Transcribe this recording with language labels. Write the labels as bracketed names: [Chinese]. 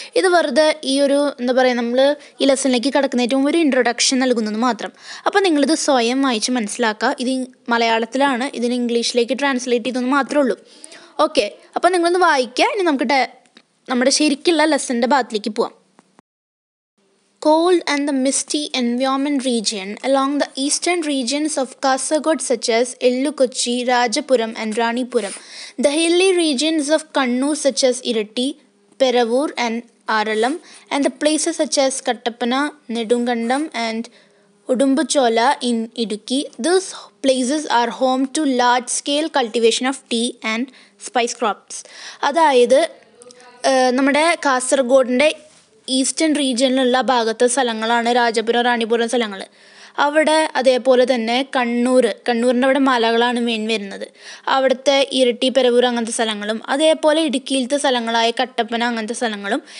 [Malayalam] ഇത് വെറുതെ ഈ ഒരു എന്താ പറയുക, നമ്മൾ ഈ ലെസണിലേക്ക് കടക്കുന്ന ഏറ്റവും ഒരു ഇൻട്രൊഡക്ഷൻ നൽകുന്നത് മാത്രം. അപ്പോൾ നിങ്ങളിത് സ്വയം വായിച്ച് മനസ്സിലാക്കുക. ഇത് മലയാളത്തിലാണ്, ഇതിന് ഇംഗ്ലീഷിലേക്ക് ട്രാൻസ്ലേറ്റ് ചെയ്തെന്ന് മാത്രമേ ഉള്ളൂ. ഓക്കെ, അപ്പോൾ നിങ്ങളൊന്ന് വായിക്കുക, ഇനി നമുക്ക് നമ്മുടെ ശരിക്കുള്ള ലെസണിൻ്റെ ഭാഗത്തിലേക്ക് പോവാം. [English] Cold and the misty environment region along the eastern regions of Kasaragod such as Ellukochi, Rajapuram and Ranipuram. The hilly regions of Kannur such as Irati, Peravur and Aralam and the places such as Kattapana, Nedungandam and Udumbuchola in Idukki. These places are home to large-scale cultivation of tea and spice crops. [Malayalam] അതായത് നമ്മുടെ കാസർഗോഡിൻ്റെ eastern റീജിയനിലുള്ള ഭാഗത്തെ സ്ഥലങ്ങളാണ് രാജപുരം റാണിപുരം സ്ഥലങ്ങൾ. അവിടെ അതേപോലെ തന്നെ കണ്ണൂരിൻ്റെ അവിടെ മലകളാണ് main വരുന്നത്. അവിടുത്തെ ഇരട്ടി പെരവൂർ അങ്ങനത്തെ സ്ഥലങ്ങളും അതേപോലെ ഇടുക്കിയിലത്തെ സ്ഥലങ്ങളായ കട്ടപ്പന അങ്ങനത്തെ സ്ഥലങ്ങളും.